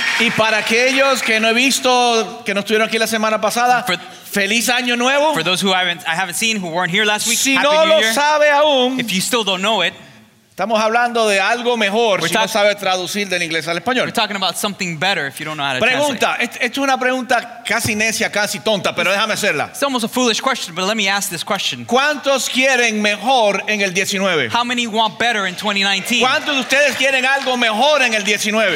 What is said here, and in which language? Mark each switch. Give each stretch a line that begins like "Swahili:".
Spanish: Y para aquellos que no he visto, que no estuvieron aquí la semana pasada, feliz año nuevo.
English: For those who I haven't seen, who weren't here last week,
Spanish: si no lo sabe aún,
English: if you still don't know it,
Spanish: estamos hablando de algo mejor si no sabe traducir del inglés al español.
English: We're talking about something better if you don't know how to
Spanish: pregunta,
English: translate.
Spanish: Pregunta, esto es una pregunta casi necia, casi tonta, pero déjame hacerla.
English: It's almost a foolish question, but let me ask this question.
Spanish: ¿Cuántos quieren mejor en el 19?
English: How many want better in 2019?
Spanish: ¿Cuántos de ustedes quieren algo mejor en el 19?